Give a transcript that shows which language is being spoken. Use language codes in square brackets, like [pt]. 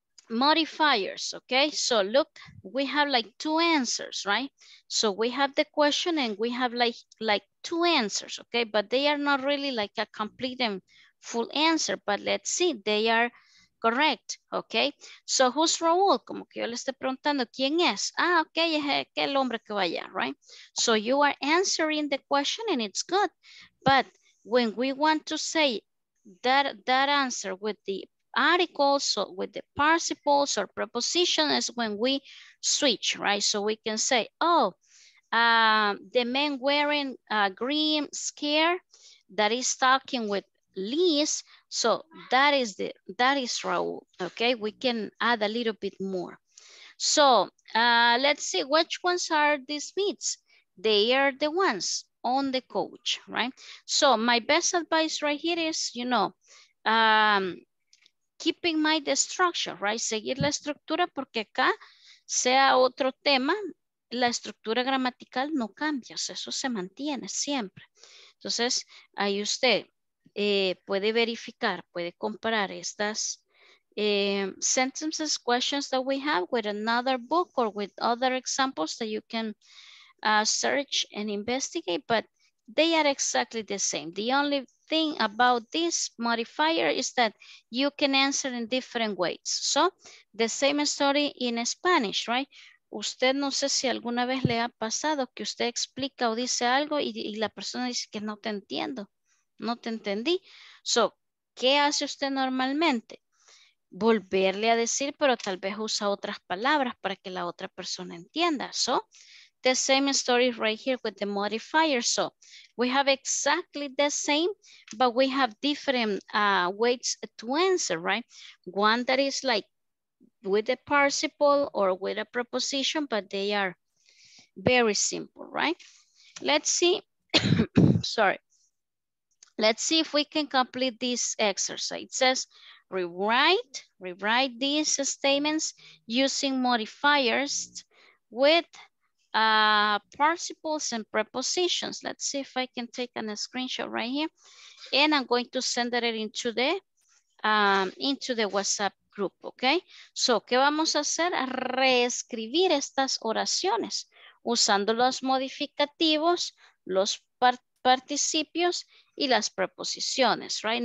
[en] Modifiers, okay? So look, we have like two answers, right? So we have the question and we have like two answers, okay? But they are not really like a complete and full answer, but let's see, they are correct, okay? So who's Raul? [es] Como que yo le estoy preguntando, ¿quién es? Ah, okay, es el hombre que vaya, right? [en] So you are answering the question and it's good, but when we want to say that answer with the articles, so with the participles or preposition, is when we switch, right? So we can say, oh, the man wearing a green scare that is talking with Liz, so that is Raul, okay? We can add a little bit more. So let's see, which ones are these meets? They are the ones on the coach, right? So my best advice right here is, you know, keep in mind the structure, right? [es] Seguir la estructura, porque acá sea otro tema, la estructura gramatical no cambia, eso se mantiene siempre. Entonces, ahí usted puede verificar, puede comparar estas [en] sentences, questions that we have with another book or with other examples that you can search and investigate, but they are exactly the same. The only thing about this modifier is that you can answer in different ways. So the same story in Spanish, right? [es] Usted, no sé si alguna vez le ha pasado que usted explica o dice algo y la persona dice que no te entiendo, no te entendí. So, ¿qué hace usted normalmente? Volverle a decir, pero tal vez usa otras palabras para que la otra persona entienda. [en] So, the same story right here with the modifier. So we have exactly the same, but we have different ways to answer, right? One that is like with a participle or with a preposition, but they are very simple, right? Let's see, sorry. Let's see if we can complete this exercise. It says, rewrite these statements using modifiers with participles and prepositions. Let's see if I can take a screenshot right here. And I'm going to send it into the WhatsApp group, okay? [es] So, ¿qué vamos a hacer? A reescribir estas oraciones usando los modificativos, los participios y las preposiciones, right?